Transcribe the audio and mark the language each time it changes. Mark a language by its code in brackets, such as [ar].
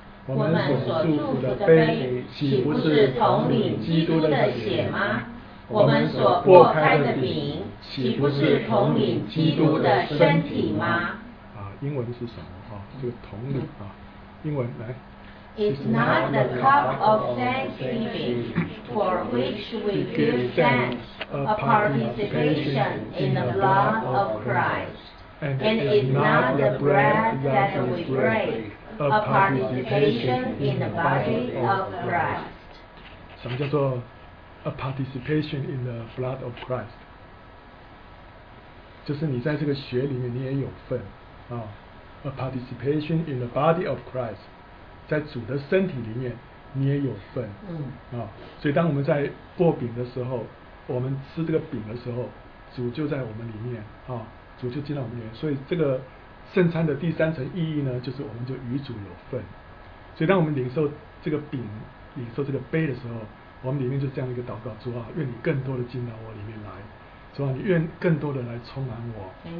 [zh] 我们所祝福的杯，岂不是同领基督的血吗？我们所擘开的饼，岂不是同领基督的身体吗？英文是什么这个同领英文来。 [en] Is not the cup of thanksgiving for which we give thanks, a participation in the blood of Christ. And is not the bread that we break, a participation in the body of Christ. [zh] 什么叫做 [en] a participation in the blood of Christ？ [zh] 就是你在这个血里面你也有份啊。 [en] A participation in the body of Christ， [zh] 在主的身体里面你也有份。嗯。啊，所以当我们在擘饼的时候，我们吃这个饼的时候，主就在我们里面啊，主就进到我们里面。所以这个圣餐的第三层意义呢，就是我们就与主有份。所以当我们领受这个饼，领受这个杯的时候，我们里面就这样一个祷告，主啊，愿你更多的进到我里面来，主啊，你愿更多的来充满我，